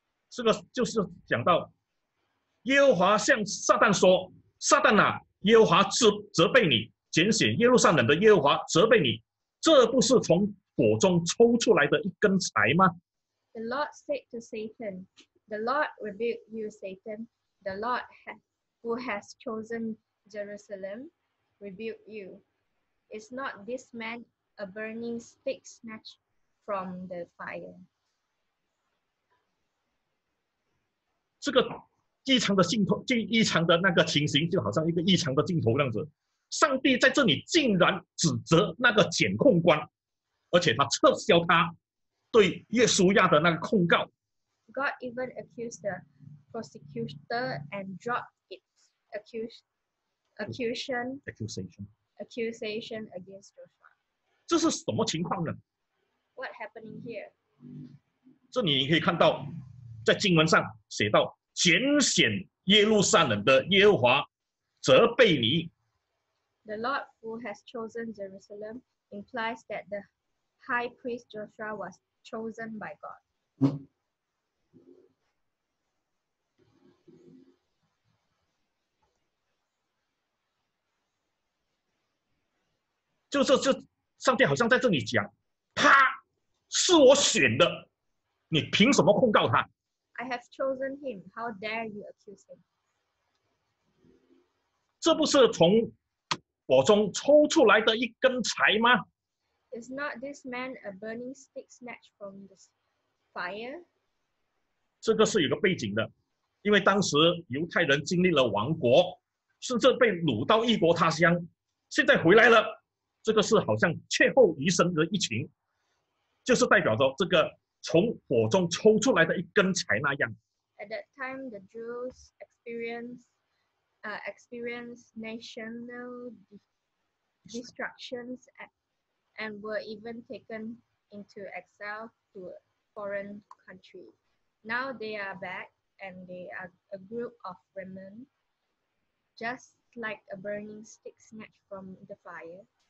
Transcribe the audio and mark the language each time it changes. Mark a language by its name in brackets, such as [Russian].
[Chinese] 这个就是讲到耶和华向撒旦说，撒旦啊，耶和华责备你，拣选耶路撒冷的耶和华责备你，这不是从火中抽出来的一根柴吗？ [English] The Lord said to Satan, The Lord rebuke you, Satan. The Lord who has chosen Jerusalem rebuke you. Is not this man a burning stick snatched from the fire? [Chinese] 这个异常的镜头，这异常的那个情形，就好像一个异常的镜头那样子。上帝在这里竟然指责那个检控官，而且他撤销他对耶稣亚的那个控告。 [English] God even accused the prosecutor and dropped its accusation against Joshua. [Chinese] 这是什么情况呢？ [English] What happening here? [Chinese] 这里你可以看到，在经文上写到，拣选耶路撒冷的耶和华责备你。 [English] The Lord who has chosen Jerusalem implies that the high priest Joshua was chosen by God. [Chinese] 就上帝好像在这里讲，他是我选的，你凭什么控告他？ [English] I have chosen him. How dare you accuse him? [Chinese] 这不是从火中抽出来的一根柴吗？ [English] Is not this man a burning stick snatched from the fire? [Chinese] 这个是有个背景的，因为当时犹太人经历了亡国，甚至被掳到异国他乡，现在回来了，这个是好像劝后余生的一情，就是代表着这个从火中抽出来的一根柴那样。 [English] At that time, the Jews experienced national destructions and were even taken into exile to a foreign country. Now they are back and they are a group of remnant, just like a burning stick snatched from the fire.